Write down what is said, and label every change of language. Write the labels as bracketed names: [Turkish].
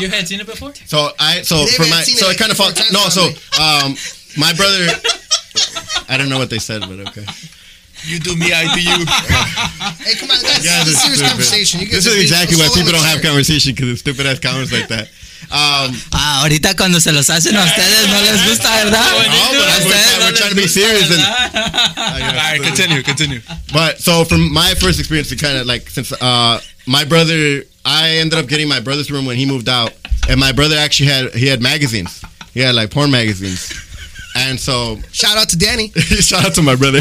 [English] You had seen it before? So it kind of fucked. No, so my brother. I don't know what they said, but okay. You do me, I do you. Hey, come on. That's a serious conversation. This is exactly why people don't have conversation, because it's stupid ass comments like that. [Spanish] Ahorita cuando se los hacen a ustedes no les gusta, ¿verdad? [English] We're trying to be serious. And, all right, continue. But so from my first experience, my brother, I ended up getting my brother's room when he moved out, and my brother actually had magazines. He had like porn magazines, and so shout out to Danny. Shout out to my brother.